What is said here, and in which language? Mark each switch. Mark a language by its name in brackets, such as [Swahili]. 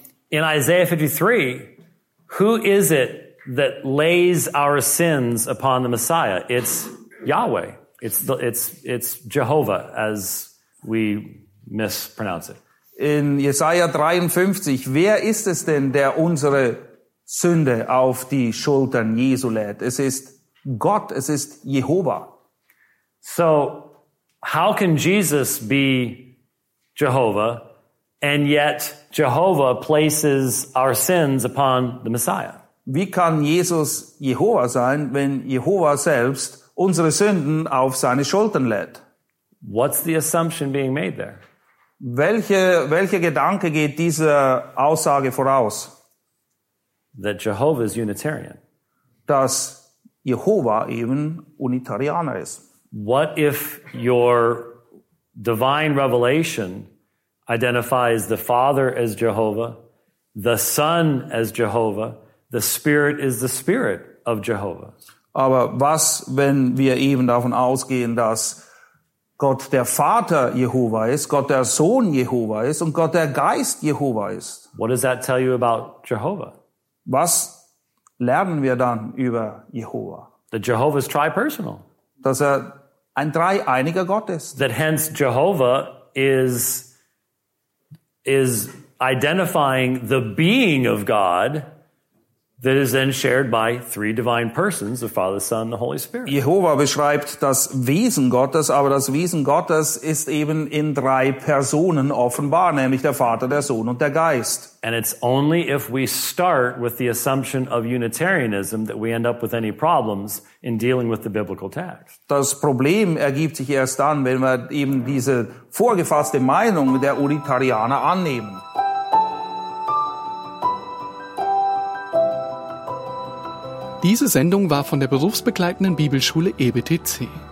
[English] In Isaiah 53, who is it that lays our sins upon the Messiah? It's Yahweh. It's Jehovah, as we mispronounce it. [German] In Jesaja 53, wer ist es denn, der unsere Sünde auf die Schultern Jesu lädt? Es ist Gott, es ist Jehova. [English] So, how can Jesus be Jehovah, and yet Jehovah places our sins upon the Messiah? [German] Wie kann Jesus Jehova sein, wenn Jehova selbst unsere Sünden auf seine Schultern lädt? [English] What's the assumption being made there? [German] Welcher Gedanke geht dieser Aussage voraus? [English] That Jehovah is Unitarian. [German] Dass Jehovah eben Unitarianer ist. [English] What if your divine revelation identifies the Father as Jehovah, the Son as Jehovah, the Spirit is the Spirit of Jehovah? [German] Aber was, wenn wir eben davon ausgehen, dass Gott der Vater Jehova ist, Gott der Sohn Jehova ist und Gott der Geist Jehova ist? [English] What does that tell you about Jehovah? [German] Was lernen wir dann über Jehova? [English] That Jehovah is tripersonal. [German] Dass er ein dreieiniger Gott ist. [English] That hence Jehovah is identifying the being of God that is then shared by three divine persons, the Father, the Son, and the Holy Spirit. [German] Jehovah beschreibt das Wesen Gottes, aber das Wesen Gottes ist eben in drei Personen offenbar, nämlich der Vater, der Sohn und der Geist. [English] And it's only if we start with the assumption of Unitarianism that we end up with any problems in dealing with the biblical text. [German] Das Problem ergibt sich erst dann, wenn wir eben diese vorgefasste Meinung der Unitarianer annehmen. Diese Sendung war von der berufsbegleitenden Bibelschule EBTC.